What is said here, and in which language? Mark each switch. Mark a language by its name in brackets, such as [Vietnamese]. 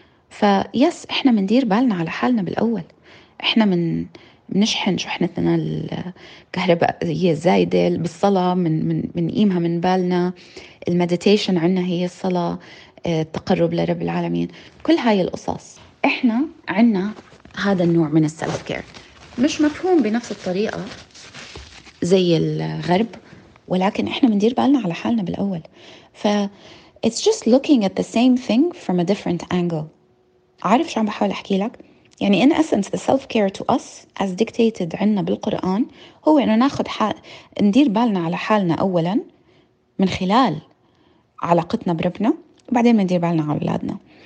[Arabic] فيس إحنا مندير بالنا على حالنا بالأول، إحنا منشحن شحنتنا الكهربائية الزايدة بالصلاة، منقيمها من بالنا، المديتيشن عنا هي الصلاة، التقرب لرب العالمين، كل هاي القصص إحنا عنا هذا النوع من السلف كير، مش مفهوم بنفس الطريقة زي الغرب، ولكن إحنا مندير بالنا على حالنا بالأول. [English] ف it's just looking at the same thing from a different angle. [Arabic] عارف شو عم بحاول أحكي لك؟ يعني [English] in essence the self-care to us as dictated [Arabic] عنا بالقرآن هو إنه ناخد ندير بالنا على حالنا أولا من خلال علاقتنا بربنا، وبعدين مندير بالنا على أولادنا.